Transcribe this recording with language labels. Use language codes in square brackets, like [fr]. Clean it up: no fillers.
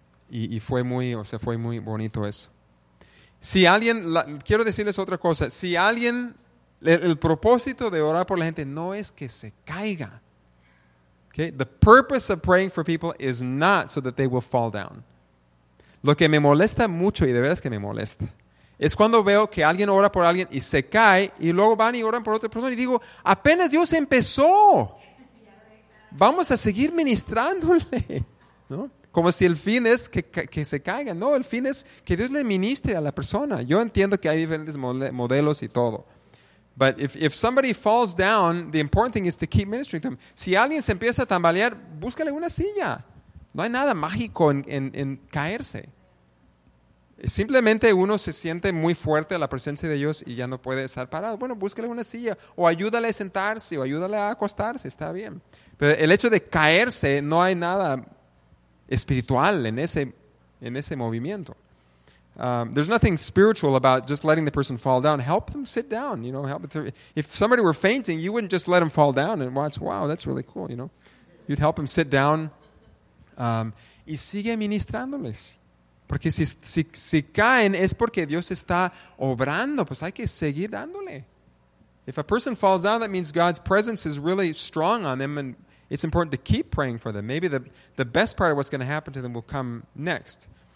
[es] Y fue muy, o sea, fue muy bonito eso. Si alguien, quiero decirles otra cosa, si alguien, el propósito de orar por la gente no es que se caiga. [en] Okay? The purpose of praying for people is not so that they will fall down. [es] Lo que me molesta mucho y de veras que me molesta es cuando veo que alguien ora por alguien y se cae y luego van y oran por otra persona y digo, apenas Dios empezó, vamos a seguir ministrándole, ¿no? Como si el fin es que se caiga. No, el fin es que Dios le ministre a la persona. Yo entiendo que hay diferentes modelos y todo. [en] But if somebody falls down, the important thing is to keep ministering to them. [es] Si alguien se empieza a tambalear, búscale una silla. No hay nada mágico en caerse. Simplemente uno se siente muy fuerte a la presencia de Dios y ya no puede estar parado. Bueno, búsquele una silla o ayúdale a sentarse o ayúdale a acostarse, está bien. Pero el hecho de caerse, no hay nada espiritual en ese movimiento. [en] There's nothing spiritual about just letting the person fall down. Help them sit down, help them. If somebody were fainting, you wouldn't just let them fall down and watch, wow, that's really cool, You'd help them sit down. [es] Y sigue ministrándoles. Porque si caen es porque Dios está obrando, pues hay que seguir dándole. [en] If a person falls down, that means God's presence is really strong on them and it's important to keep praying for them. Maybe the best part of what's going to happen to them will come next.